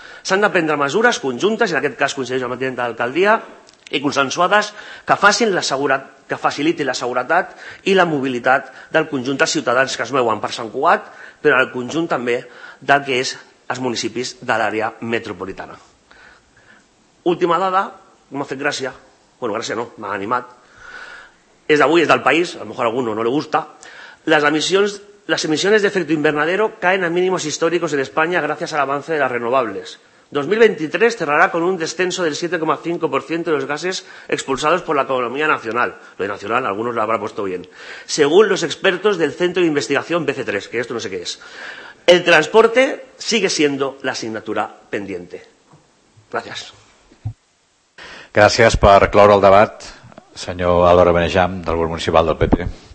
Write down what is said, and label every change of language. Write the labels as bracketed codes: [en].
[ca] S'han de prendre mesures conjuntes, i en aquest cas coincideix amb la tinenta d'alcaldia, i consensuades que facilitin la seguretat i la mobilitat del conjunt dels ciutadans que es mouen per Sant Cugat, però el conjunt també del que és els municipis de l'àrea metropolitana. Última dada, m'ha fet gràcia, bueno, gràcia no, m'ha animat, és d'avui, és del país, [es] a lo mejor a alguno no le gusta, las emisiones de efecto invernadero caen a mínimos históricos en España gracias al avance de las renovables. 2023 cerrará con un descenso del 7,5% de los gases expulsados por la economía nacional. Lo de nacional, algunos lo habrán puesto bien. Según los expertos del Centro de Investigación BC3, que esto no sé qué es. El transporte sigue siendo la asignatura pendiente. Gracias. [ca] Gràcies per cloure el debat, senyor Álvaro Benejam, del grup municipal del PP.